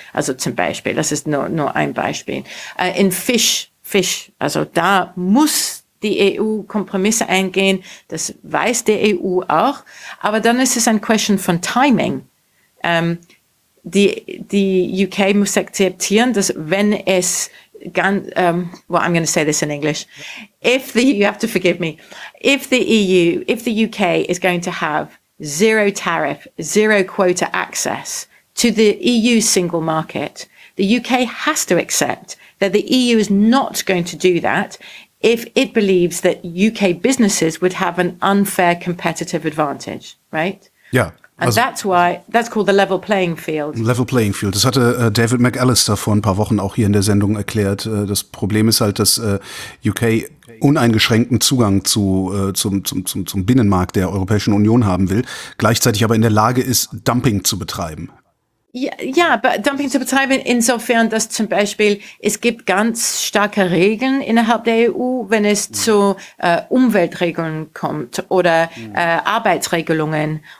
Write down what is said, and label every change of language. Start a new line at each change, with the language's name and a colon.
German: Also zum Beispiel, das ist nur ein Beispiel. In Fisch, also da muss die EU Kompromisse eingehen, das weiß die EU auch, aber dann ist es ein Question von Timing. Die UK muss akzeptieren, dass wenn es
English: I'm going to say this in English. You have to forgive me. If the UK is going to have zero tariff, zero quota access to the EU single market, the UK has to accept that the EU is not going to do that if it believes that UK businesses would have an unfair competitive advantage, right? Yeah. And that's why that's called the level playing field. Level playing field.
German: Das hatte David McAllister vor ein paar Wochen auch hier in der Sendung erklärt. Das Problem ist halt, dass UK uneingeschränkten Zugang zum Binnenmarkt der Europäischen Union haben will, gleichzeitig aber in der Lage ist, Dumping zu betreiben. Ja, aber Dumping zu betreiben insofern, dass zum Beispiel es gibt ganz starke Regeln innerhalb der EU, wenn es zu Umweltregeln kommt oder Arbeitsregelungen.